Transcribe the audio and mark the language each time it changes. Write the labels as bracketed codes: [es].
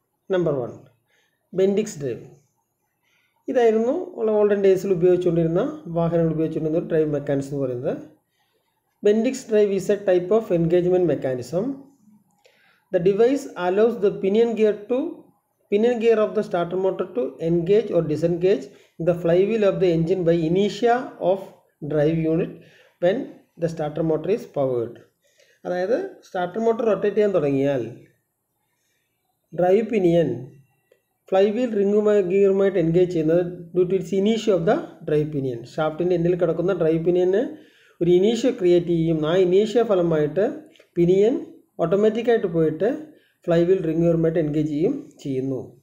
[ml] Number 1 Bendix drive. ഇതായിരുന്നു olden ഡേയ്സിൽ ഉപയോഗിച്ചുകൊണ്ടിരുന്ന, വാഹനങ്ങൾ ഉപയോഗിച്ചുകൊണ്ടിരുന്ന ഒരു ഡ്രൈവ് മെക്കാനിസം എന്ന് പറയുന്നത്. [en] Bendix drive is A type of engagement mechanism. The device allows the pinion gear to pinion gear of the starter motor to engage or disengage the fly wheel of the engine by ഇനീഷ്യ of drive unit when the starter motor is powered. [ml] അതായത് starter motor rotate ചെയ്യാൻ തുടങ്ങിയാൽ drive pinion fly wheel റിംഗുമായി ഗിയറുമായിട്ട് engage ചെയ്യുന്നത് [en] Due to its ഇനീഷ്യ of the drive pinion. [ml] ഷാഫ്റ്റിൻ്റെ എൻഡിൽ കിടക്കുന്ന drive പിനിയന് ഒരു ഇനീഷ്യ create ചെയ്യും. ആ ഇനീഷ്യ ഫലമായിട്ട് പിനിയൻ ഓട്ടോമാറ്റിക്കായിട്ട് പോയിട്ട് ഫ്ലൈ വീൽ റിംഗുമായിട്ട് എൻഗേജ് ചെയ്യും ചെയ്യുന്നു.